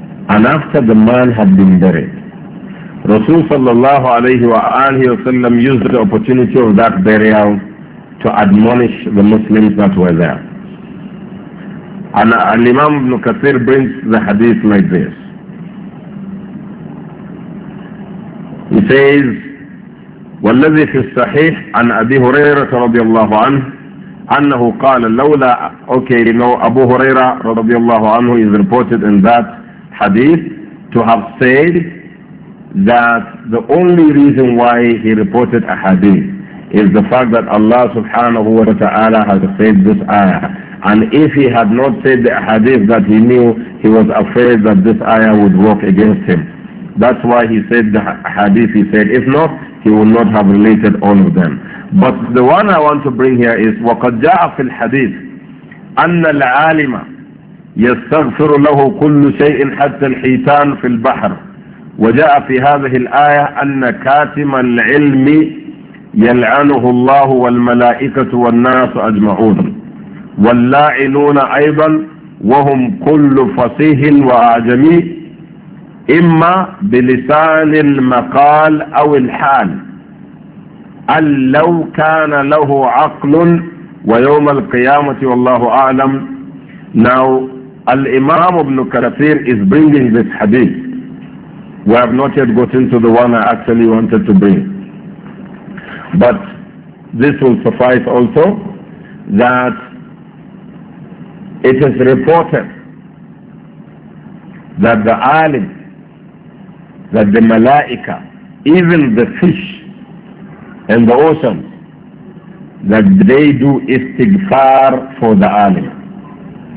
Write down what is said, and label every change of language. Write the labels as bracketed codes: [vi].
[en] And after the man had been buried, Rasul sallallahu alayhi wa alihi wa sallam used the opportunity of that burial to admonish the Muslims that were there. And Imam ibn Kathir brings the hadith like this. He says, [ar] وَالَّذِي فِي الصَّحِيحِ عَنْ أَبِي هُرَيْرَةَ رَضِيَ اللَّهُ عَنْهُ أَنَّهُ قَالَ لَوْلَا. [en] Okay, you know, Abu Huraira [ar] رَضِيَ اللَّهُ عَنْهُ [en] is reported in that hadith to have said that the only reason why he reported a hadith is the fact that Allah subhanahu wa ta'ala has said this ayah. And if he had not said the hadith that he knew, he was afraid that this ayah would work against him. That's why he said the hadith he said. If not, he would not have related all of them. But the one I want to bring here is [ar] وَقَدْ جَاءَ فِي الْحَدِيثِ أَنَّ الْعَالِمَ يستغفر له كل شيء حتى الحيتان في البحر. وجاء في هذه الآية أن كاتم العلم يلعنه الله والملائكة والناس أجمعون واللاعنون أيضا وهم كل فصيح وأعجمي إما بلسان المقال أو الحال أن لو كان له عقل ويوم القيامة والله أعلم. [en] Now, Al-Imam ibn Kathir is bringing this hadith. We have not yet gotten to the one I actually wanted to bring. But this will suffice also, that it is reported that the alim, that the malaika, even the fish and the ocean, that they do istighfar for the alim.